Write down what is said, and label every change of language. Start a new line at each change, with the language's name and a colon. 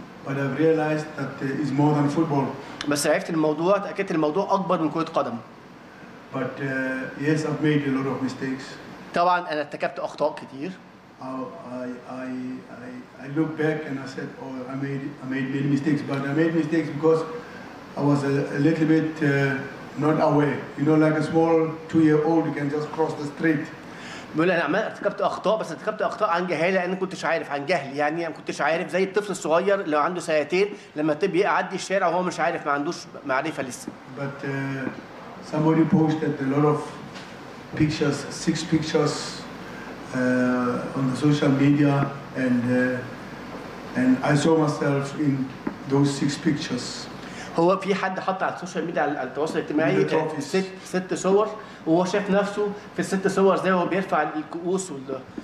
English: but I realized that it's more than football
Arabic: بس عرفت الموضوع اتاكدت الموضوع اكبر من كره قدم
English: But yes, I've made a lot of mistakes.
Arabic: طبعا انا ارتكبت اخطاء كتير.
English: I look back and I said, oh, I made many mistakes, but I made mistakes because I was a little bit not aware. You know, like a small 2-year-old, you can just cross the street.
Arabic: بيقول انا ارتكبت اخطاء بس ارتكبت اخطاء عن جهاله لان كنتش عارف عن جهل يعني ما كنتش عارف زي الطفل الصغير لو عنده سنتين لما تبقى يعدي الشارع وهو مش عارف ما عندوش معرفه لسه.
English: But somebody posted a lot of pictures, 6 pictures on the social media, and I saw myself in those 6 pictures.
Arabic: هو في حد حط على السوشيال ميديا على التواصل الاجتماعي ست صور وهو شاف نفسه في الست صور زي ما هو بيرفع الكؤوس وال